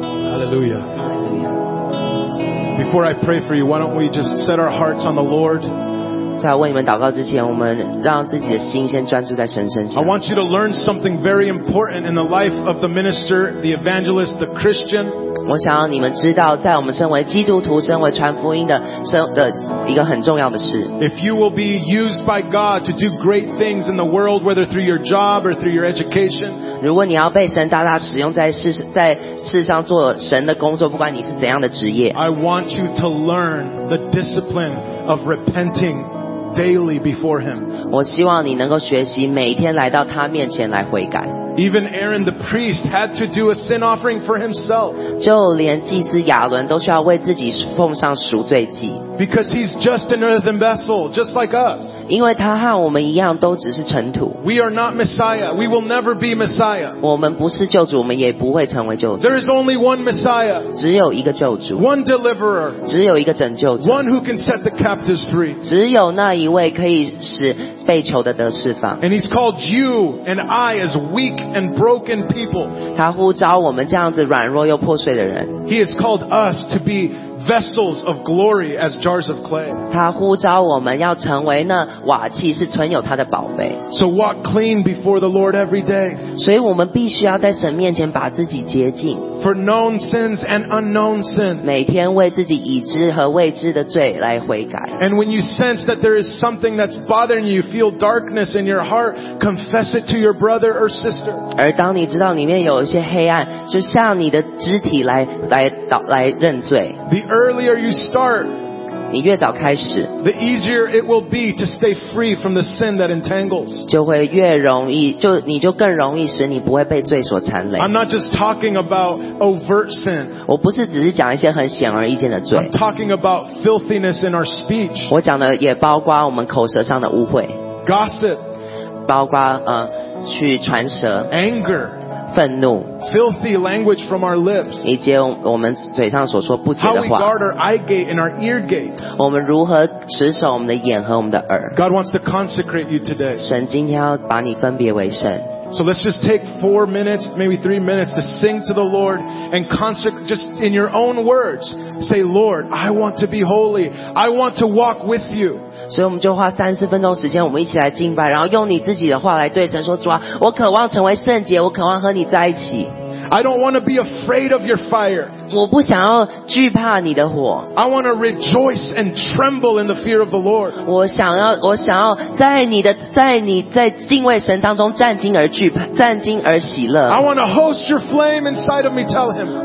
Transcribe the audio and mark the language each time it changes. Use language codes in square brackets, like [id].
[en] Hallelujah. Before I pray for you, why don't we just set our hearts on the Lord? [zh] 在为你们祷告之前，我们让自己的心先专注在神身上。 [en] I want you to learn something very important in the life of the minister, the evangelist, the Christian. [zh] 我想要你们知道，在我们身为基督徒、身为传福音的一个很重要的事。 [en] If you will be used by God to do great things in the world, whether through your job or through your education. [zh] 如果你要被神大大使用在世上做神的工作，不管你是怎样的职业。 [en] I want you to learn the discipline of repenting. Daily before him. [zh] 我希望你能够学习每天来到他面前来悔改。 [en] Even Aaron the priest had to do a sin offering for himself. [zh] 就连祭司亚伦都需要为自己奉上赎罪祭。 [en] Because he's just an earthen vessel, just like us. [zh] 因为他和我们一样，都只是尘土。 [en] We are not Messiah. We will never be Messiah. [zh] 我们不是救主，我们也不会成为救主。 [en] There is only one Messiah. [zh] 只有一个救主。 [en] One deliverer. [zh] 只有一个拯救者。 [en] One who can set the captives free. [zh] 只有那一位可以使被囚的得释放。 [en] And he's called you and I as weak and broken people. [zh] 他呼召我们这样子软弱又破碎的人。 [en] He has called us to be. Vessels of glory as jars of clay. [zh] 他呼召我们要成为那瓦器，是存有他的宝贝。 [en] So walk clean before the Lord every day. [zh] 所以我们必须要在神面前把自己洁净。 [en] For known sins and unknown sins. [zh] 每天为自己已知和未知的罪来悔改。 [en] And when you sense that there is something that's bothering you, feel darkness in your heart, confess it to your brother or sister. [zh] 而当你知道里面有一些黑暗，就向你的肢体来认罪。 [en] The earlier you start, [zh] 你越早开始 [en] the easier it will be to stay free from the sin that entangles. [zh] 就会越容易，就你就更容易使你不会被罪所缠累。 [en] I'm not just talking about overt sin. [zh] 我不是只是讲一些很显而易见的罪。 [en] I'm talking about filthiness in our speech. [zh] 我讲的也包括我们口舌上的污秽。 [en] Gossip. [zh] 包括去传舌。 [en] Anger. [zh] 愤怒 [en] filthy language from our lips, [zh] 以及我们嘴上所说不洁的话 [en] how we guard our eye gate and our ear gate, [zh] 我们如何持守我们的眼和我们的耳 [en] God wants to consecrate you today, [zh] 神今天要把你分别为圣 [en] So let's just take 4 minutes, maybe 3 minutes to sing to the Lord and consecrate, just in your own words, say, Lord, I want to be holy, I want to walk with you. [zh] 所以我们就花三四分钟时间我们一起来敬拜然后用你自己的话来对神说主啊我渴望成为圣洁我渴望和你在一起 [en] I don't want to be afraid of your fire [zh] 我不想要惧怕你的火 [en] I want to rejoice and tremble in the fear of the Lord [zh] 我想要在敬畏神当中战惊而喜乐 [en] I want to host your flame inside of me tell him